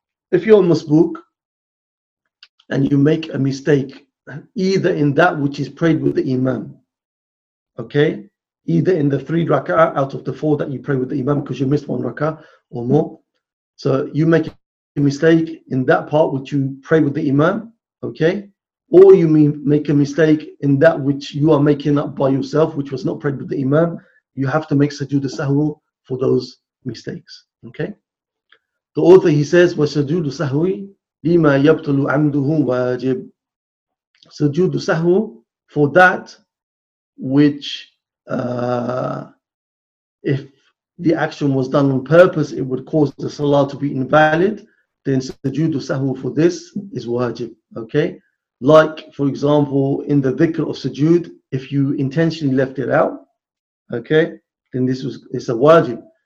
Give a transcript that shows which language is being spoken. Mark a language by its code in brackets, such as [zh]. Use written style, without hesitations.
[en] If you're a masbuk and you make a mistake, either in that which is prayed with the imam, okay, either in the three rak'ah out of the four that you pray with the imam, because you missed one rak'ah or more, so you make a mistake in that part which you pray with the imam, okay, or you make a mistake in that which you are making up by yourself, which was not prayed with the imam, you have to make sajood sahwu for those mistakes, okay. [ar] The author, he says, وسجود سهو لما يبطل عمده واجب. [en] سجود سهو for that which, if the action was done on purpose, it would cause the salah to be invalid, then سجود سهو for this is wajib. Okay? Like, for example, in the dhikr of sujood, if you intentionally left it out, okay, then this was, it's a wajib.